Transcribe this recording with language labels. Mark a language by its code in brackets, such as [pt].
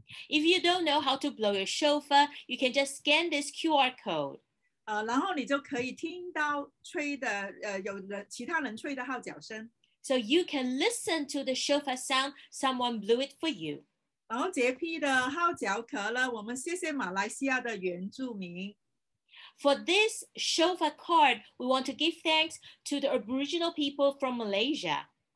[en] If you don't know how to blow your shofar, you can just scan this QR code. [zh] 然后你就可以听到吹的，有其他人吹的号角声。 [en] So you can listen to the shofar sound someone blew it for you. [zh] 然后这批的号角壳呢，我们谢谢马来西亚的原住民。 [en] For this shofar card, we want to give thanks to the Aboriginal people from Malaysia.